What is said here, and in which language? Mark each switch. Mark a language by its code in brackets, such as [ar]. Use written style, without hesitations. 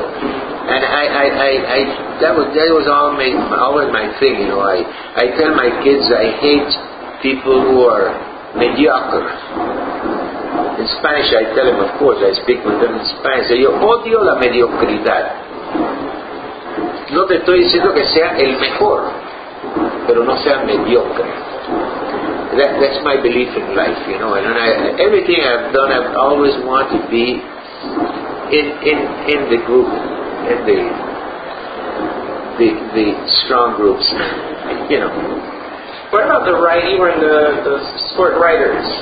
[en] And I that was always my thing, you know. I tell my kids I hate people who are mediocre. In Spanish, I tell them, of course, I speak with them in Spanish. [es] Yo odio la mediocridad. No te estoy diciendo que sea el mejor, pero no sea mediocre. [en] That's my belief in life, you know. And everything I've done, I've always wanted to be in the group, in the strong groups, you know. What about the writing or the sport writers?